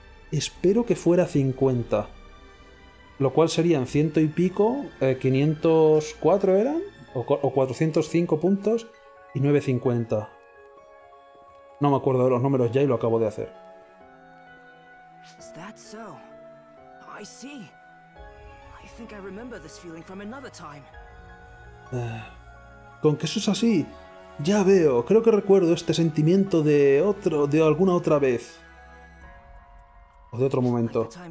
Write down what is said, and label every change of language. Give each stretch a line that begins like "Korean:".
Spanish: Espero que fuera 50. Lo cual serían ciento y pico, 504 eran, o 405 puntos y 950. No me acuerdo de los números ya y lo acabo de hacer.
English: Is that so? I see. I think I remember this feeling from another time.
Spanish: ¿Con qué eso es así? Ya veo, creo que recuerdo este sentimiento de otro, de alguna otra vez. O de otro momento.